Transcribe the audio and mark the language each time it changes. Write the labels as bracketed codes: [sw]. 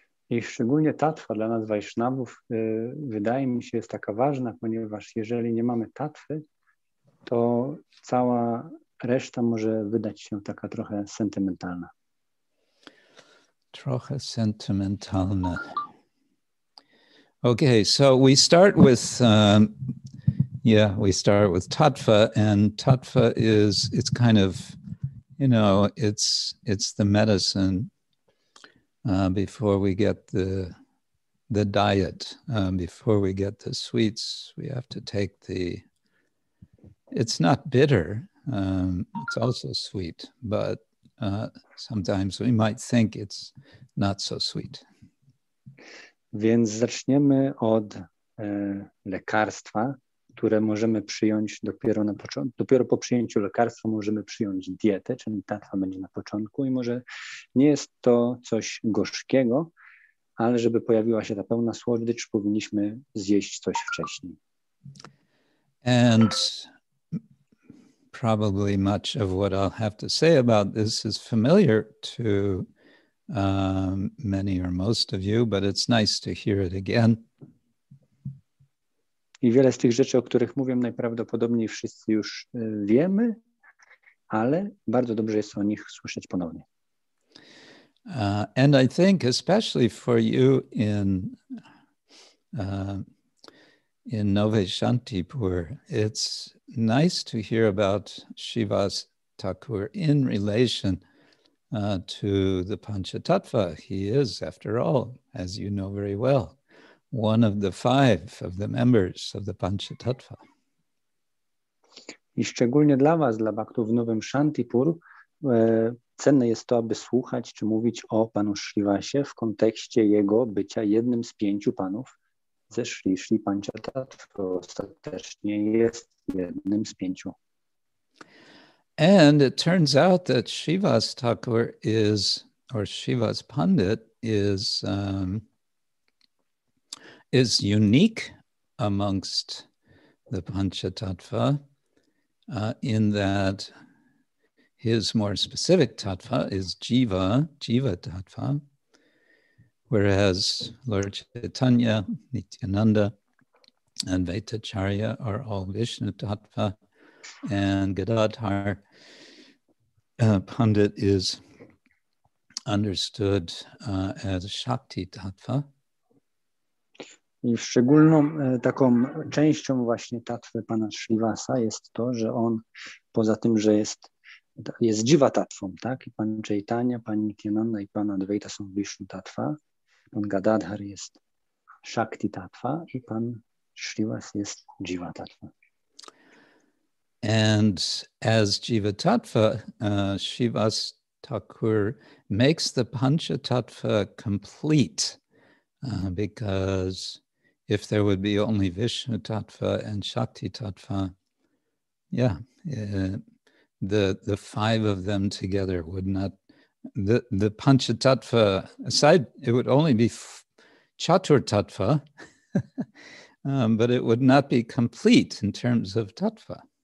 [pl] I szczególnie tattwa dla nas Vaishnavów wydaje mi się jest taka ważna, ponieważ jeżeli nie mamy tattwy, to cała reszta może wydać się taka trochę sentymentalna. Trochę sentymentalna. [en] Okay, so we start with, tattva, and tattva is, it's kind of, you know, it's the medicine before we get the diet, before we get the sweets, we have to take the... It's not bitter, it's also sweet, but sometimes we might think it's not so sweet. [pl] Więc zaczniemy od lekarstwa, które możemy przyjąć dopiero na początku. Dopiero po przyjęciu lekarstwa możemy przyjąć dietę, czyli tattwa będzie na początku i może nie jest to coś gorzkiego, ale żeby pojawiła się ta pełna słodycz, powinniśmy zjeść coś wcześniej. [en] And probably much of what I'll have to say about this is familiar to many or most of you, but it's nice to hear it again. [pl] I wiele z tych rzeczy, o których mówię, najprawdopodobniej wszyscy już wiemy, ale bardzo dobrze jest o nich słyszeć ponownie. [en] And I think especially for you in Nowy Shantipur, it's nice to hear about Shivas Thakur in relation to the Panchatattva. He is, after all, as you know very well, one of the five of the members of the Panchatattva. [pl] I szczególnie dla was, dla baktów w Nowym Shantipur, cenne jest to, aby słuchać czy mówić o panu Shrivasie w kontekście jego bycia jednym z pięciu panów ze Shri Shri Panchatattva. Ostatecznie jest jednym z pięciu. [en] And it turns out that Shivas Thakur is, or Shivas Pandit is unique amongst the Panchatattva in that his more specific tattva is Jiva, Jiva tattva, whereas Lord Chaitanya, Nityananda, and Vaitacharya are all Vishnu tattva. And Gadadhar Pandit is understood as Shakti Tattva. [pl] I szczególną taką częścią właśnie tattwy pana Shrivasa jest to, że on poza tym, że jest Jiva Tattwą, tak? I pan Chaitanya, pan Nityananda i pan Advaita są Vishnu Tattwa. Pan Gadadhar jest Shakti Tattwa i pan Shrivas jest Jiva Tattwa. [en] And as Jiva Tattva, Shivas Thakur makes the Panchatattva complete, because if there would be only Vishnu Tattva and Shakti Tattva, the five of them together would not, the Panchatattva aside, it would only be Chatur Tattva, but it would not be complete in terms of Tattva.